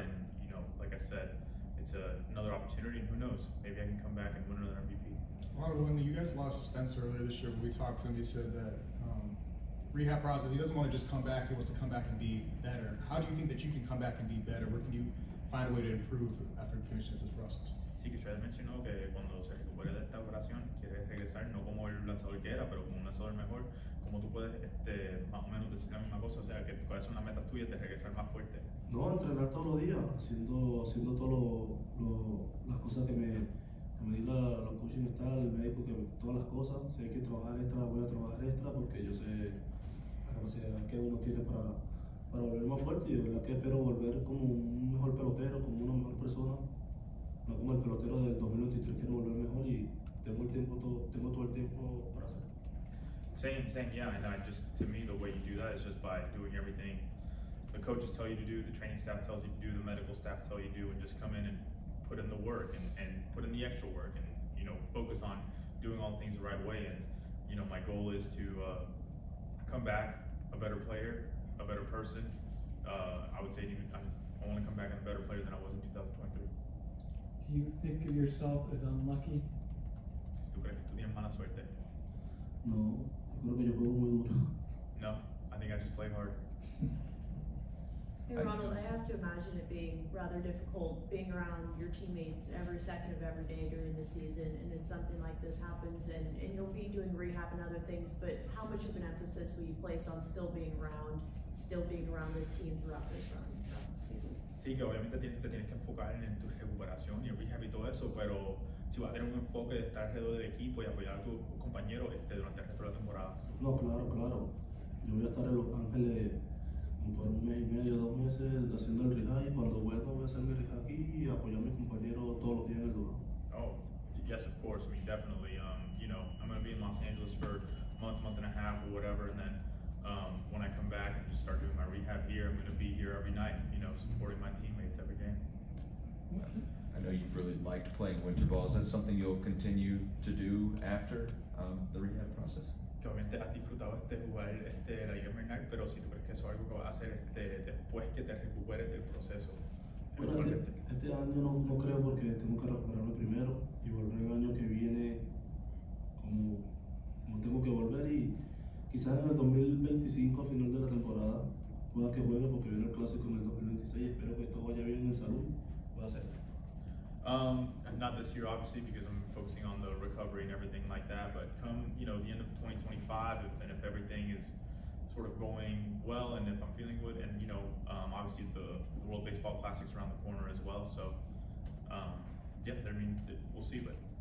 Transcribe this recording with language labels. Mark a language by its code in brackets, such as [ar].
[en] And, you know, like I said, it's another opportunity. And who knows? Maybe I can come back and win another MVP. Well, when you guys lost Spencer earlier this year, when we talked to him, he said that rehab process, he doesn't want to just come back. He wants to come back and be better. How do you think that you can come back and be better? Where can you find a way to improve after finishing this process? [es] Sí, que usted mencionó que cuando se recupere de esta operación quiere regresar, no como el lanzador que era, pero como un lanzador mejor. ¿Cómo tú puedes más o menos decir la misma cosa? O sea, ¿cuáles son las metas tuyas de regresar más fuerte? No, entrenar todos los días, haciendo todas las cosas que me di la coaching extra, el médico, que todas las cosas. Si hay que trabajar extra, voy a trabajar extra, porque yo sé la capacidad que uno tiene para volver más fuerte. Y de verdad que espero volver como un mejor pelotero, como una mejor persona. No como el pelotero del 2023, quiero volver mejor, y tengo todo el tiempo para hacerlo. [en] Same, yeah, and I just, to me, the way you do that is just by doing everything the coaches tell you to do, the training staff tells you to do, the medical staff tell you to do, and just come in and put in the work and put in the extra work and, you know, focus on doing all things the right way. And, you know, my goal is to come back a better player, a better person. I would say I want to come back a better player than I was in 2023. Do you think of yourself as unlucky? [es] ¿Tú crees que tú tienes mala suerte? No, yo creo que yo juego muy duro. [en] No, I think I just play hard. Hey, Ronald, I have to imagine it being rather difficult being around your teammates every second of every day during the season, and then something like this happens, and you'll be doing rehab and other things, but how much of an emphasis will you place on still being around this team throughout this run? [es] Sí, que obviamente te tienes que enfocar en tu recuperación y el rehab y todo eso, pero si vas a tener un enfoque de estar alrededor del equipo y apoyar a tus compañeros durante el resto de la temporada. No, claro. Yo voy a estar en Los Ángeles por un mes y medio, dos meses haciendo el rehab, y cuando vuelva voy a hacer mi rehab aquí y apoyar a mis compañeros todos los días en el duro. [en] Oh, yes, of course. I mean, definitely. You know, I'm going to be in Los Angeles for a month, month and a half or whatever, and then when I come back and just start doing my rehab here, I'm going to be here every night, you know, supporting my teammates every game. I know you've really liked playing winter ball. Is that something you'll continue to do after the rehab process? [es] Obviamente has disfrutado jugar la Liga Invernal, pero si tú crees que eso es algo que vas a hacer después que te recuperes del proceso. Bueno, este año no creo, porque tengo que recuperarme primero y volver el año que viene como tengo que volver. Y quizás en el 2025, a final de la temporada, pueda que juegue, porque viene el clásico en el 2026. Espero que todo vaya bien en salud. Puedo hacer. [en] Not this year, obviously, because I'm focusing on the recovery and everything like that. But come, you know, the end of 2025, if everything is sort of going well, and if I'm feeling good, and, you know, obviously the World Baseball Classic's around the corner as well. So, yeah, I mean, we'll see. But